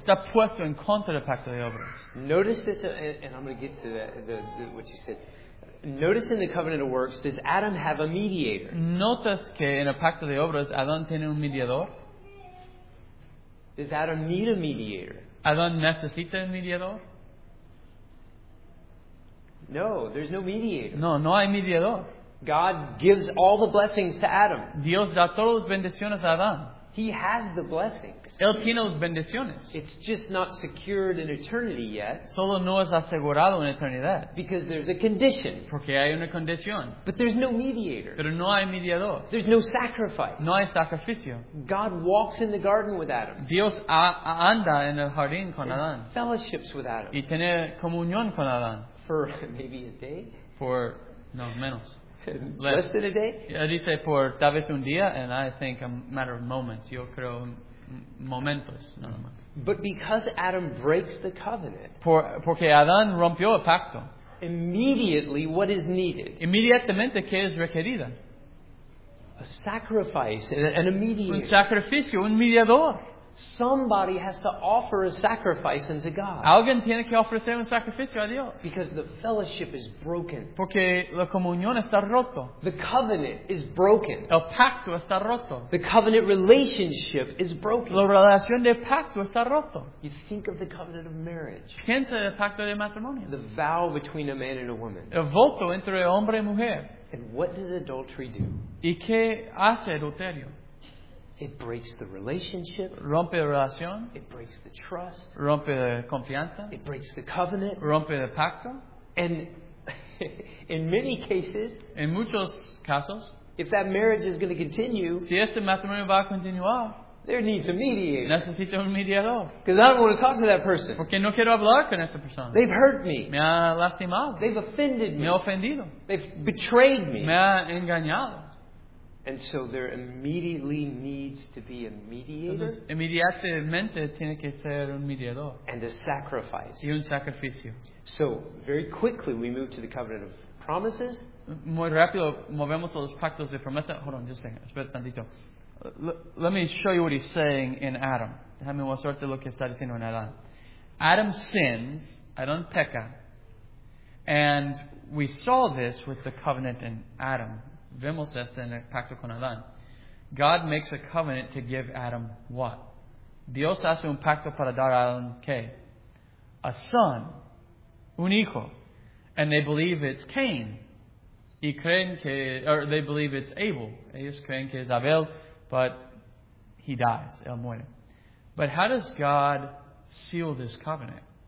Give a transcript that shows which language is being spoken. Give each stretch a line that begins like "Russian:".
Spanish: Está puesto en contra del pacto de obras.
English: Notice this, and I'm going to get to the what you said. Notice in the covenant of works, does Adam have a mediator?
Spanish: ¿Notas que en el pacto de obras Adán tiene un mediador?
English: Does Adam need a mediator?
Spanish: ¿Adán necesita un mediador?
English: No, there's no mediator.
Spanish: No hay mediador.
English: God gives all the blessings to Adam.
Spanish: Dios da todas las bendiciones a Adán.
English: He has the blessings.
Spanish: Él tiene las bendiciones.
English: It's just not secured in eternity yet.
Spanish: Solo no es asegurado en eternidad.
English: Because there's a condition.
Spanish: Porque hay una condición.
English: But there's no mediator.
Spanish: Pero no hay mediador.
English: There's no sacrifice.
Spanish: No hay sacrificio.
English: God walks in the garden with Adam.
Spanish: Dios anda en el jardín con Adán.
English: Fellowships with Adam.
Spanish: Y tiene comunión con Adán.
English: For maybe a day?
Spanish: For, no, menos.
English: Less than a day? Yeah,
Spanish: dice por tal vez un día,
English: and I think a matter of moments.
Spanish: Yo creo momentos, nada más.
English: But because Adam breaks the covenant,
Spanish: porque Adán rompió el pacto,
English: immediately what is needed?
Spanish: Inmediatamente, ¿qué es requerida?
English: A sacrifice and a mediator.
Spanish: Un sacrificio, un mediador.
English: Somebody has to offer a sacrifice unto God.
Spanish: Alguien tiene que ofrecer un sacrificio a Dios.
English: Because the fellowship is broken.
Spanish: Porque la comunión está roto.
English: The covenant is broken.
Spanish: El pacto está roto.
English: The covenant relationship is broken.
Spanish: La relación de pacto está roto.
English: You think of the covenant of marriage.
Spanish: Piensa en el pacto de matrimonio.
English: The vow between a man and a woman.
Spanish: El voto entre hombre y mujer.
English: And what does adultery do?
Spanish: ¿Y qué hace adulterio?
English: It breaks the relationship.
Spanish: Rompe la relación.
English: It breaks the trust.
Spanish: Rompe la confianza.
English: It breaks the covenant.
Spanish: Rompe el pacto.
English: And in many cases,
Spanish: en muchos casos,
English: if that marriage is going to continue,
Spanish: si este matrimonio va a continuar,
English: there needs a mediator.
Spanish: Necesito un mediador.
English: Because I don't want to talk to that person.
Spanish: Porque no quiero hablar con esa persona.
English: They've hurt me.
Spanish: Me ha lastimado.
English: They've offended me.
Spanish: Me ha ofendido.
English: They've betrayed me.
Spanish: Me ha engañado.
English: And so there immediately needs to be a mediator.
Spanish: Entonces, inmediatamente tiene que ser un mediador.
English: And a sacrifice.
Spanish: Y un sacrificio.
English: So very quickly we move to the covenant of promises.
Spanish: Muy rápido movemos a los pactos de promesa.
English: Hold on, just a second.
Spanish: Espera tantito.
English: Let me show you what he's saying in Adam.
Spanish: Déjame mostrarte lo que está diciendo en Adán.
English: Adam sins.
Spanish: Adán peca.
English: And we saw this with the covenant in Adam.
Spanish: Vemos esto en el pacto con Adán.
English: God makes a covenant to give Adam what?
Spanish: Dios hace un pacto para dar a Adán ¿qué?
English: A son.
Spanish: Un hijo.
English: And they believe it's Cain.
Spanish: Y creen que,
English: or they believe it's Abel.
Spanish: Ellos creen que es Abel.
English: But he dies.
Spanish: Él muere.
English: But how does God seal this covenant?